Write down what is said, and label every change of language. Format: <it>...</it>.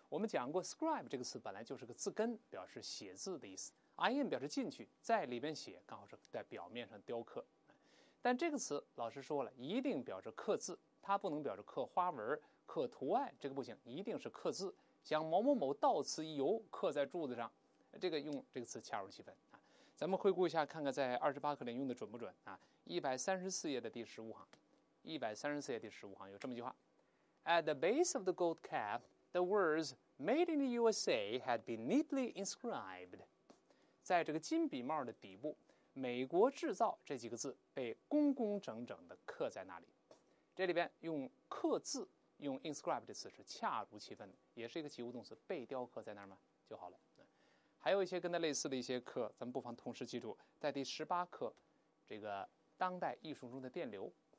<zh>我们讲过 scribe 这个词本来就是个字根，表示写字的意思， in 表示进去，在里边写，刚好是在表面上雕刻。但这个词老师说了一定表示刻字，它不能表示刻花纹刻图案，这个不行，一定是刻字，像某某某到此一游刻在柱子上，这个用这个词恰如其分。咱们回顾一下，看看在28课里用的准不准啊？ 134页的第15行，134页第15行有这么一句话</zh> <en>：At the base of the gold cap, the words "Made in the USA" had been neatly inscribed。</en> <zh>在这个金笔帽的底部，"美国制造"这几个字被工工整整的刻在那里。这里边用刻字，用 inscribe 的词是恰如其分的，也是一个及物动词，被雕刻在那儿嘛就好了。还有一些跟它类似的一些课，咱们不妨同时记住，在第18课，这个当代艺术中的电流。</zh>